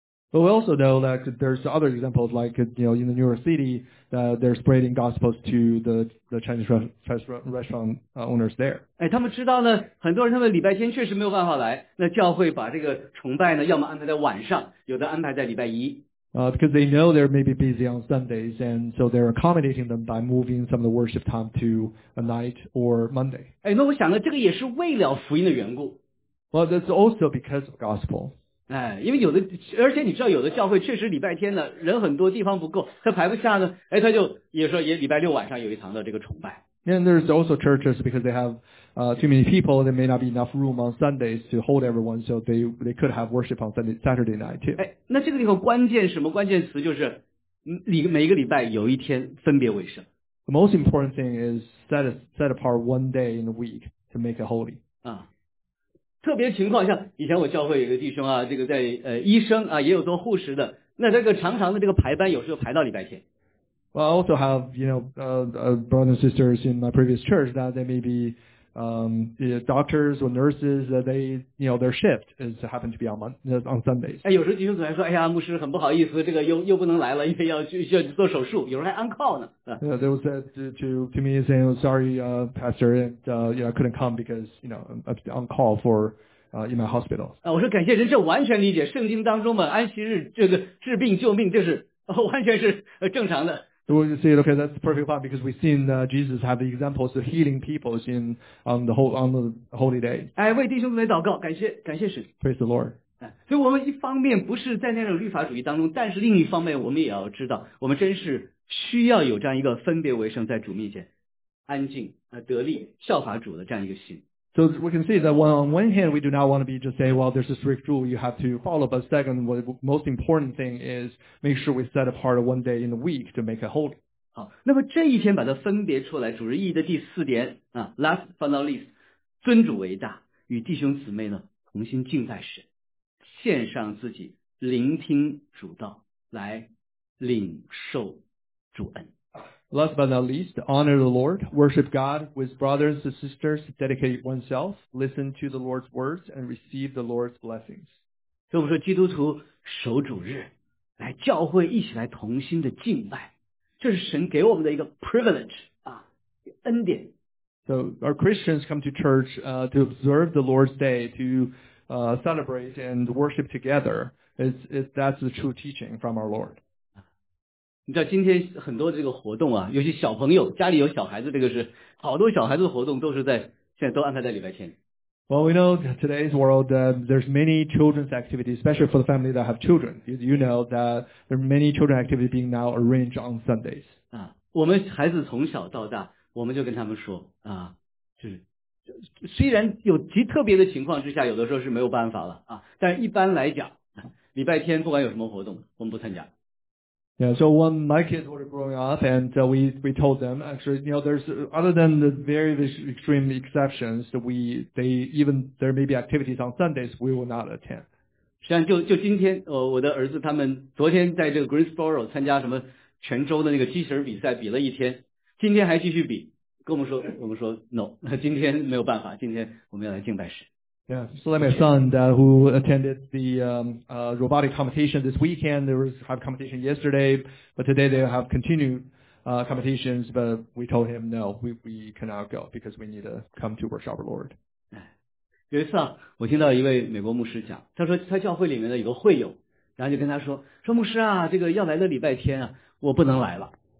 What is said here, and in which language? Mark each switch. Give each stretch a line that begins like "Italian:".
English: But we also know that there's other examples, like you know, in the New York City, that they're spreading gospels to the Chinese restaurant owners there.
Chinese: 哎，他们知道呢，很多人他们礼拜天确实没有办法来，那教会把这个崇拜呢，要么安排在晚上，有的安排在礼拜一。
English: Because they know they're maybe busy on Sundays, and so they're accommodating them by moving some of the worship time to a night or Monday.
Chinese: 哎，那我想呢，这个也是为了福音的缘故。
English: Well, that's also because of gospel.
Chinese: 哎，因为有的，而且你知道，有的教会确实礼拜天呢人很多，地方不够，他排不下呢，哎，他就也说也礼拜六晚上有一堂的这个崇拜。
English: And there's also churches because they have too many people, there may not be enough room on Sundays to hold everyone, so they could have worship on Saturday night too.
Chinese: 哎，那这个地方关键什么关键词就是每个礼拜有一天分别为圣。
English: The most important thing is set apart one day in the week to make it holy.
Chinese: 啊，特别情况像以前我教会有个弟兄啊，这个在医生啊，也有做护士的，那这个常常的这个排班有时候排到礼拜天。
English: Well, I also have, you know, brothers and sisters in my previous church that they may be, doctors or nurses that they, you know, their shift is happen to be on Sundays.
Chinese: 哎，有时候弟兄姊妹说，哎呀，牧师很不好意思，这个又不能来了，因为要做手术，有时候还
English: on call
Chinese: 呢。
English: Yeah, they would say to me saying, sorry, pastor, and, I couldn't come because, you know, I'm on call for, in my hospital.
Chinese: 啊，我说感谢人，这完全理解圣经当中嘛，安息日这个治病救命，这是。完全是正常的。
English: We say, okay, that's perfect fine because we've seen Jesus have the examples of healing people in on the holy day.
Chinese: 哎，为弟兄们祷告，感谢神。
English: Praise the Lord.
Chinese: 哎，所以我们一方面不是在那种律法主义当中，但是另一方面我们也要知道，我们真是需要有这样一个分别为圣，在主面前安静得力效法主的这样一个心。
English: So we can see that on one hand, we do not want to be just saying, well, there's a strict rule you have to follow. But second, the most important thing is make sure we set apart one day in the week to make it holy.
Chinese: 好，那么这一天把它分别出来，主日意义的第四点啊 ，
English: last but not least，
Chinese: 尊主为大，与弟兄姊妹呢同心敬拜神，献上自己聆听主道，来领受主恩。
English: Last but not least, honor the Lord, worship God with brothers and sisters, dedicate oneself, listen to the Lord's words, and receive the Lord's blessings.
Chinese: 所以我们说基督徒守主日，来教会一起来同心的敬拜，这是神给我们的一个 privilege, 啊，恩典。
English: So our Christians come to church, to observe the Lord's Day, to, celebrate and worship together. That's the true teaching from our Lord.
Chinese: 你知道今天很多这个活动啊，尤其小朋友家里有小孩子，这个是好多小孩子的活动都是在现在都安排在礼拜天。
English: Well, we know that today's world, there's many children's activities, especially for the family that have children. You know that there are many children activities being now arranged on Sundays.
Chinese: 啊，我们孩子从小到大，我们就跟他们说啊，就是虽然有极特别的情况之下，有的时候是没有办法了啊，但一般来讲，礼拜天不管有什么活动，我们不参加。
English: Yeah, so when my kids were growing up and we told them, actually, you know, there's, other than the very, very extreme exceptions, there may be activities on Sundays we will not attend.
Chinese: 实际上就今天我的儿子他们昨天在这个 Greensboro 参加什么全州的那个机器人比赛比了一天，今天还继续比，跟我们说 no, 今天没有办法，今天我们要来敬拜神。
English: Yeah, so like my son, who attended the, robotic competition this weekend, there was have competition yesterday, but today they have continued, competitions, but we told him, no, we cannot go because we need to come to worship our Lord.
Chinese: 有一次啊，我听到一位美国牧师讲，他说他教会里面的有个会友，然后就跟他说牧师啊，这个要来的礼拜天啊，我不能来了。